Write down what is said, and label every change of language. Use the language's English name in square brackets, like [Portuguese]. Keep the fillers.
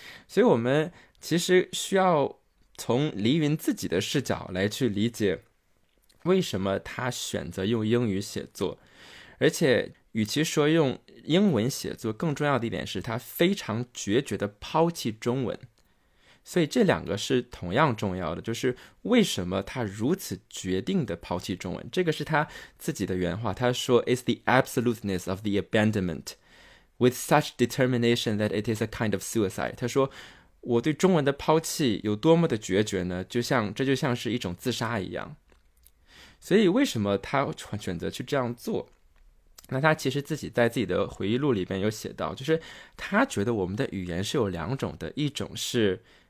[Chinese] 所以我们其实需要从黎云自己的视角来去理解，为什么他选择用英语写作，而且与其说用英文写作，更重要的一点是他非常决绝的抛弃中文。所以这两个是同样重要的，就是为什么他如此决定的抛弃中文？这个是他自己的原话，他说：“ [English] Is the absoluteness of the abandonment with such determination that it is a kind of suicide？” [Chinese] 他说：“我对中文的抛弃有多么的决绝呢？就像这就像是一种自杀一样。”所以为什么他选择去这样做？那他其实自己在自己的回忆录里边有写到，就是他觉得我们的语言是有两种的，一种是。